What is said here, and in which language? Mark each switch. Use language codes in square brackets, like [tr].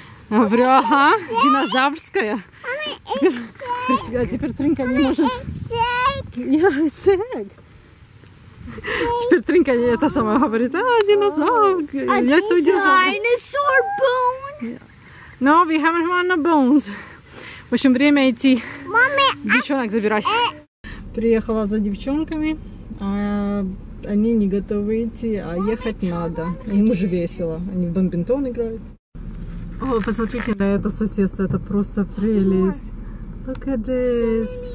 [ru] Я говорю, ага, динозаврское. Теперь Тринка не может... [en] It's egg. [ru] Теперь Тринка это самое говорит, а, динозавр, яйцо динозавра. [en] Dinosaur bone? No, we haven't found the bones. [ru] В общем, время идти. Девчонок забирать. Приехала за девчонками. Они не готовы идти, а ехать надо. Им уже весело. Они в бадминтон играют. О, посмотрите на это соседство. Это просто прелесть. [en] Look at this.